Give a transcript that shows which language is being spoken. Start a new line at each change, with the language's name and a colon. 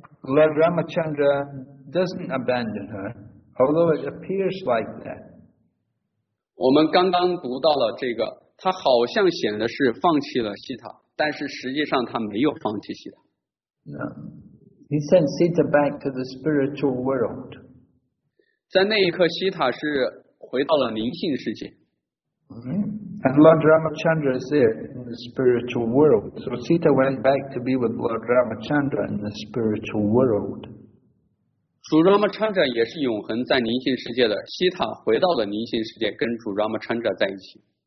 English: Lord Ramachandra doesn't abandon her, although it appears like that.
Chinese: 我们刚刚读到了这个，他好像显得是放弃了西塔，但是实际上他没有放弃西塔。
English: No, he sent Sita back to the spiritual world.
Chinese: 在那一刻，西塔是回到了灵性世界。
English: And Lord Ramachandra is there in the spiritual world. So Sita went back to be with Lord Ramachandra in the spiritual world.
Chinese: 主 Ramachandra 也是永恒在灵性世界的。西塔回到了灵性世界，跟主 Ramachandra 在一起。